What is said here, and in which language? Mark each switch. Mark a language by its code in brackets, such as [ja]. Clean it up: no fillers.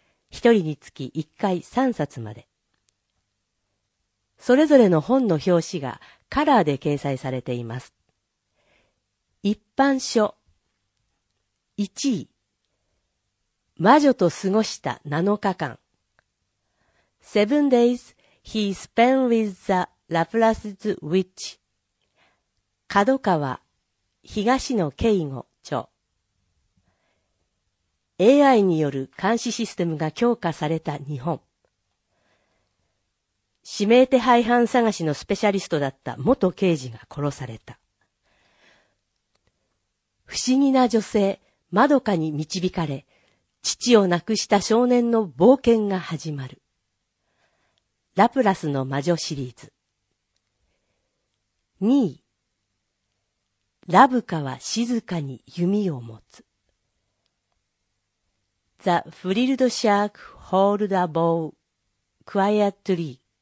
[ja] 一人につき一回3冊まで。それぞれの本の表紙がカラーで掲載されています。一般書1位、魔女と過ごした7日間。 [en] 7 days he spent with the Laplace's witch. [ja] 角川東野圭吾著。 AI による監視システムが強化された日本。指名手配犯探しのスペシャリストだった元刑事が殺された。不思議な女性まどかに導かれ、父を亡くした少年の冒険が始まる。ラプラスの魔女シリーズ。 2位、ラブカは静かに弓を持つ。 [en] The frilled shark hold a bow quietly.